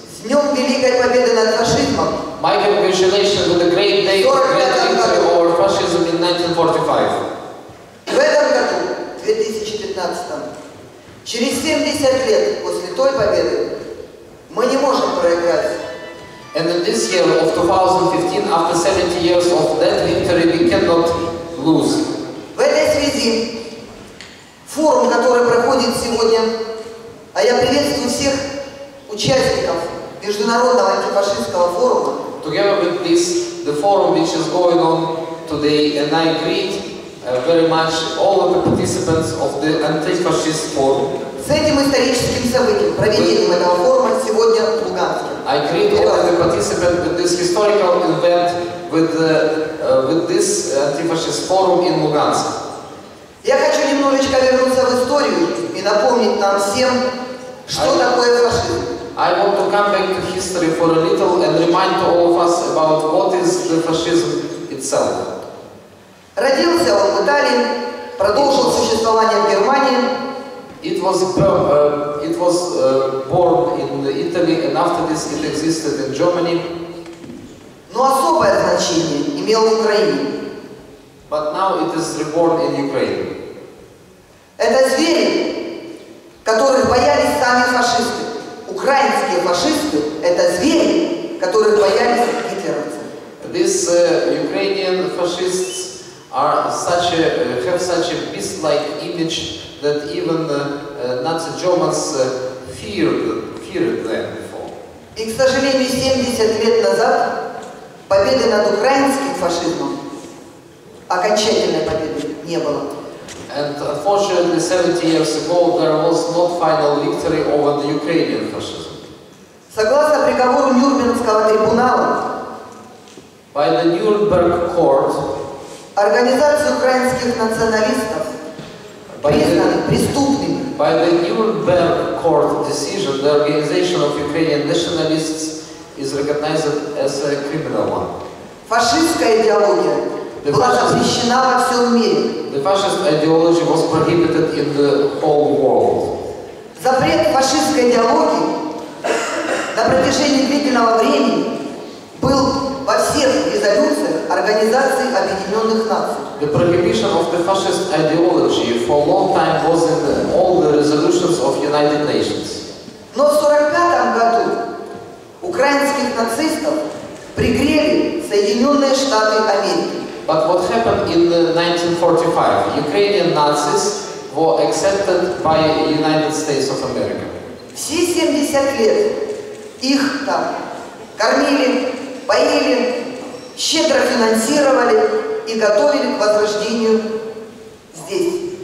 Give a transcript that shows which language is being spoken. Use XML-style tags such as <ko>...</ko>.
<ru>с днем великой победы над фашизмом.</ru> <en>My congratulations on the great day of victory over fascism in 1945.</en> <ru>В этом году, 2015, через 70 лет после той победы, мы не можем проиграть.</ru> <en>And in this year of 2015, after 70 years of that victory, we cannot lose.</en> <ru>В этой связи форум, который проходит сегодня, а я приветствую всех участников международного антифашистского форума.</ru> <en>Together with this, the forum which is going on today, and I greet very much all of the participants of the anti-fascist forum.</en> <ru>С этим историческим событием, проведением этого форума сегодня в Луганске.</ru> <en>I greet all of the participants with this historical event, with this anti-fascist forum in Lugansk.</en> <ru>Я хочу немножечко вернуться в историю и напомнить нам всем, что такое фашизм.</ru> <en>I want to come back to history for a little and remind all of us about what is the fascism itself.</en> <ru>Родился он в Италии, продолжил существование в Германии.</ru> <en>It was born in Italy and after this it existed in Germany.</en> <ru>Но особое значение имел в Украине.</ru> <en>But now it is reborn in Ukraine.</en> <ru>Это звери, которых боялись сами фашисты. Украинские фашисты – это звери, которых боялись гитлеровцы.</ru> <en>These Ukrainian fascists are such a, have such a beast-like image that even Nazi Germans feared them before.</en> <ru>И, к сожалению, 70 лет назад победы над украинским фашизмом окончательной победы не было.</ru> <en>And unfortunately, 70 years ago, there was no final victory over the Ukrainian fascism.</en> <ru>Согласно приговору Нюрнбергского трибунала,</ru> <en>by the Nuremberg Court,</en> <ru>организация украинских националистов признана преступными.</ru> <en>By the Nuremberg Court decision, the organization of Ukrainian nationalists is recognized as a criminal one.</en> <ru>Фашистская идеология была запрещена во всем мире.</ru> <en>The fascist ideology was prohibited in the whole world.</en> <ru>Запрет фашистской идеологии на протяжении длительного времени был во всех резолюциях Организации Объединенных Наций.</ru> <en>The prohibition of the fascist ideology for a long time was in all the resolutions of United Nations.</en> <ru>Но в 45-м году украинских нацистов пригрели Соединенные Штаты Америки.</ru> <en>But what happened in 1945? Ukrainian Nazis were accepted by United States of America.</en> <ru>Все 70 лет их там кормили, поили, щедро финансировали и готовили к возрождению здесь.</ru>